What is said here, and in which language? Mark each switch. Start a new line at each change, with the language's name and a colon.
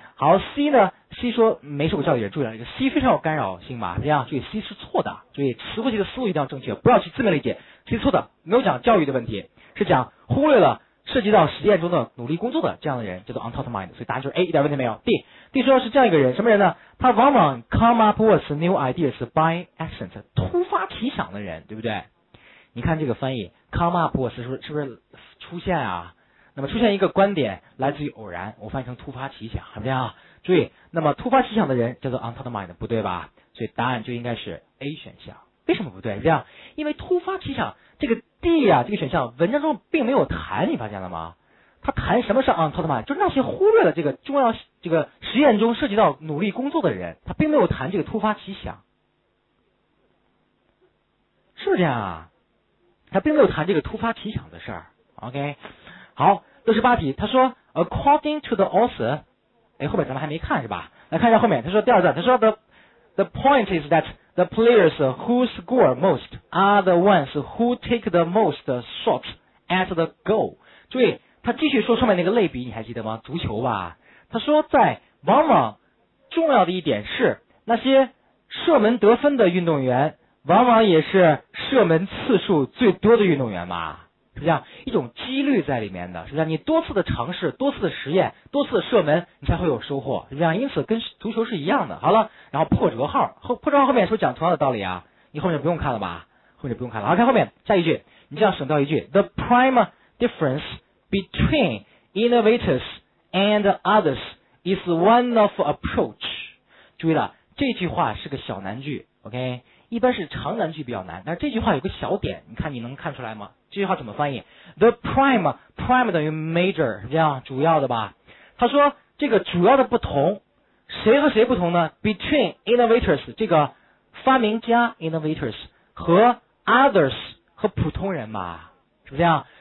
Chinese: 好 ，C 呢 ？C 说没受过教育，注意了，这个 C 非常有干扰性嘛，这样注意 C 是错的，注意词汇题的思路一定要正确，不要去字面理解 ，C 错的，没有讲教育的问题，是讲忽略了涉及到实验中的努力工作的这样的人叫做 untotomized， 所以答案就是 A， 一点问题没有。 D 说是这样一个人，什么人呢？他往往 come up with new ideas by accident，突发奇想的人，对不对？你看这个翻译 come up with 是不是出现啊？那么出现一个观点来自于偶然，我翻译成突发奇想，怎么样？注意，那么突发奇想的人叫做 untotomized， 不对吧？所以答案就应该是 A 选项。为什么不对？这样，因为突发奇想这个 D 啊，这个选项文章中并没有谈，你发现了吗？他谈什么是 untotomized， 就是那些忽略了这个重要这个实验中涉及到努力工作的人，他并没有谈这个突发奇想，是不是这样啊？他并没有谈这个突发奇想的事儿。OK， 好，68题，他说 according to the author，哎，后面咱们还没看是吧？来看一下后面，他说第二段，他说 the point is that。
English: The players who score most are the ones who take the most shots at the goal。
Chinese: 注意他继续说上面那个类比，你还记得吗？足球吧。他说在往往重要的一点是，那些射门得分的运动员往往也是射门次数最多的运动员嘛，是这样一种几率在里面的，是不是？你多次的尝试，多次的实验，多次的射门，你才会有收获，是这样。因此跟足球是一样的。好了，然后破折号，破折号后面说讲同样的道理啊，你后面就不用看了吧，后面就不用看了。
English: 好，看后面下一句，你这样省掉一句，The prime difference between innovators and others is one of approach。
Chinese: 注意了，这句话是个小难句 ，OK。一般是长难句比较难，但是这句话有个小点，你看你能看出来吗？这句话怎么翻译 ？The prime 等于 major， 是这样，主要的吧？他说这个主要的不同，谁和谁不同呢 ？ Between innovators 这个发明家 innovators 和 others 和普通人嘛，是不是这样？